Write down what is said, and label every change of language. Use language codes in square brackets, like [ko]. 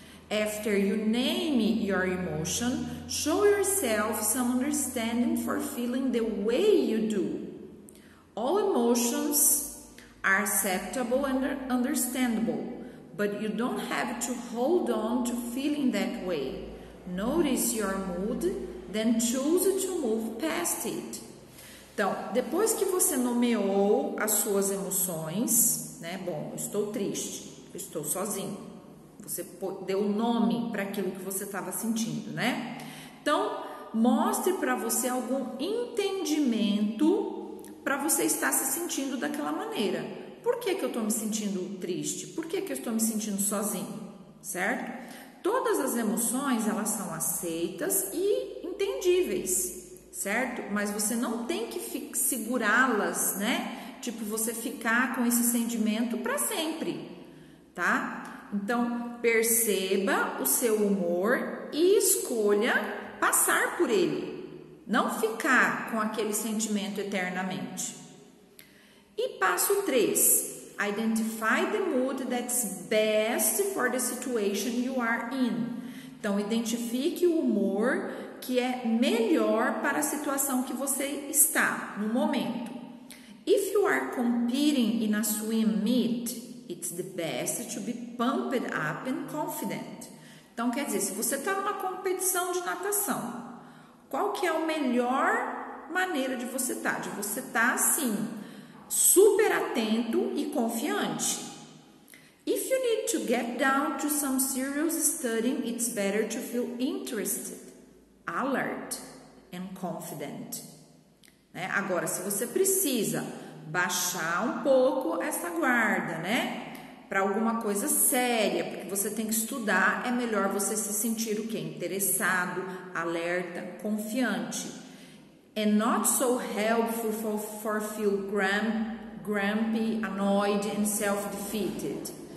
[en] After you name your emotion, show yourself some understanding for feeling the way you do. All emotions are acceptable and understandable, But you don't have to hold on to feeling that way. Notice your mood, then choose to move past it. [pt] Então, depois que você nomeou as suas emoções, né? Bom, estou triste, estou sozinho. Você deu nome para aquilo que você estava sentindo, né? Então, mostre para você algum entendimento para você estar se sentindo daquela maneira. Por que que eu estou me sentindo triste? Por que que eu estou me sentindo sozinho? Certo? Todas as emoções, elas são aceitas e entendíveis, certo? Mas você não tem que segurá-las, né? Tipo, você ficar com esse sentimento para sempre, tá? Então, perceba o seu humor e escolha passar por ele. Não ficar com aquele sentimento eternamente. E passo 3. [en] Identify the mood that's best for the situation you are in. [pt] Então, identifique o humor que é melhor para a situação que você está no momento. [en] If you are competing in a swim meet, it's the best to be pumped up and confident. [pt] Então, quer dizer, se você está numa competição de natação, qual que é a melhor maneira de você estar? De você estar assim, super atento e confiante. [en] If you need to get down to some serious studying, it's better to feel interested, alert and confident. [pt] Né? Agora, se você precisa baixar um pouco essa guarda, né? Para alguma coisa séria, porque você tem que estudar, é melhor você se sentir o quê? Interessado, alerta, confiante. [en] And not so helpful for feel grumpy, annoyed and self-defeated.